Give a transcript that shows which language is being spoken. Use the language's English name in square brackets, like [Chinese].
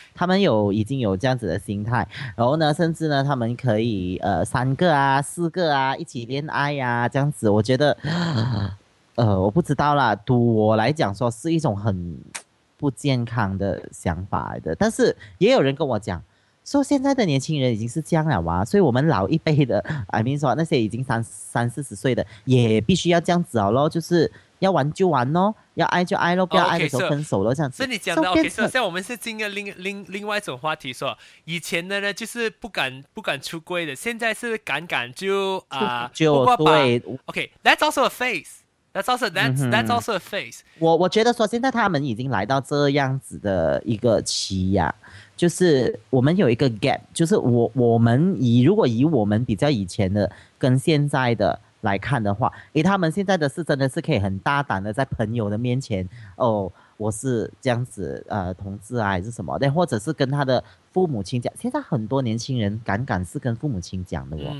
[Chinese] 他们有已经有这样子的心态，然后呢甚至呢他们可以三个啊四个啊一起恋爱啊这样子，我觉得我不知道啦，读我来讲说是一种很不健康的想法的，但是也有人跟我讲说现在的年轻人已经是这样了啊，所以我们老一辈的 [English] I mean [Chinese] 说那些已经三四十岁的也必须要这样子好咯，就是要玩就玩咯，要爱就爱咯，不要爱的时候分手咯、 [English] oh, okay, [Chinese] 这样子。是你讲的 OK， 所以像我们是经历 另外一种话题说以前的呢就是不敢出柜的，现在是敢就啊、就对 [English] OK that's also a phase that's also a phase、 [Chinese] 嗯、我觉得说现在他们已经来到这样子的一个期呀、啊，就是我们有一个 gap， 就是我们以如果以我们比较以前的跟现在的来看的话，诶他们现在的是真的是可以很大胆的在朋友的面前哦我是这样子同志啊还是什么的，或者是跟他的父母亲讲，现在很多年轻人敢是跟父母亲讲的哦，